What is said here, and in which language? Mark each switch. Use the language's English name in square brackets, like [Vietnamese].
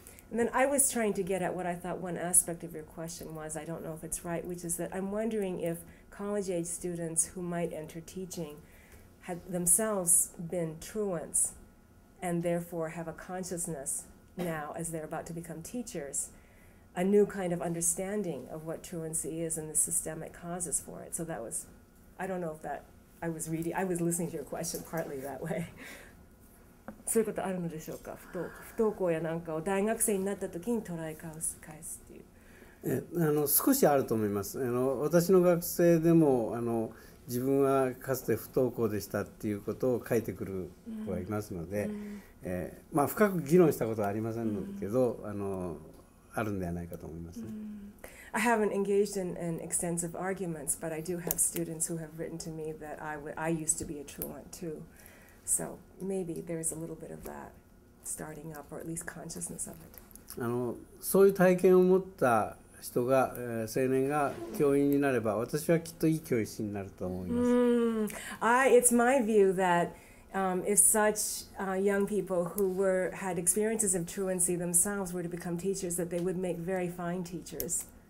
[English] And then I was trying to get at what I thought one aspect of your question was, I don't know if it's right, which is that I'm wondering if college-age students who might enter teaching had themselves been truants and therefore have a consciousness now as they're about to become teachers, a new kind of understanding of what truancy is and the systemic causes for it. So that was, I don't know if that, I was listening to your question partly that way. [Japanese] そういうことあるのでしょうか。不登校やなんかを大学生になった時に捉え返すっていう。少しあると思います。私の学生でも自分はかつて不登校でしたっていうことを書いてくる子がいますので、まあ深く議論したことはありませんけど、あるんではないかと思いますね。 [English] I haven't engaged in extensive arguments, but I do have students who have written to me that I used to be a truant too. So maybe there is a little bit of that starting up, or at least consciousness of it. [Japanese] そういう体験を持った人が、青年が教員になれば、私はきっといい教師になると思います。 [English] It's my view that if such young people who had experiences of truancy themselves were to become teachers, that they would make very fine teachers.